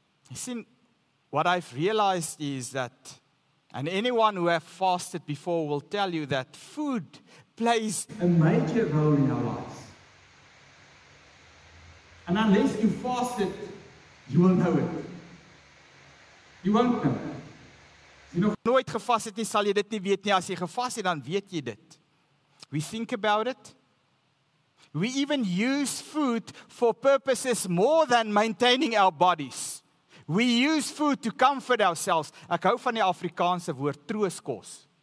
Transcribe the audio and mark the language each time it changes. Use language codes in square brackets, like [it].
[en] You see, what I've realized is that, and anyone who have fasted before will tell you that food plays a major role in our lives. And unless you fasted, you will know it. You won't know it. [af] Nooit gevast het nie, sal jy dit nie weet nie. As jy gevast het, dan weet jy dit. [en] We think about it. We even use food for purposes more than maintaining our bodies. We use food to comfort ourselves. [af] Ek hou van die Afrikaanse woord trooskos.